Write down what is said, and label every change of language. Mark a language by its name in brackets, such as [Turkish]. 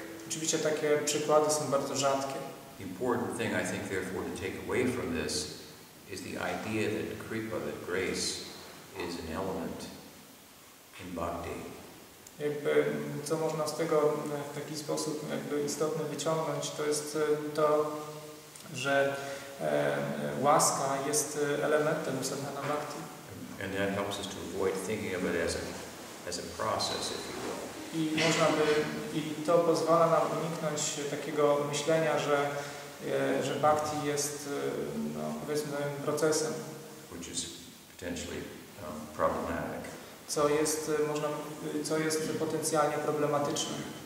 [Polish] Oczywiście takie przykłady są bardzo rzadkie. [English] The important thing I think therefore to take away from this is the idea that kripa, that grace, is an element in bhakti. [Polish] Jakby, co można z tego w taki sposób jakby istotne wyciągnąć, to jest to, że łaska jest elementem sadhana bhakti. [English] And that helps us to avoid thinking of it as a process, if you will. [Polish] I można by, i to pozwala nam uniknąć takiego myślenia, że bhakti jest, no, powiedzmy, procesem. [English] Which is potentially problematic. [Polish] Co jest, można, co jest potencjalnie problematyczne.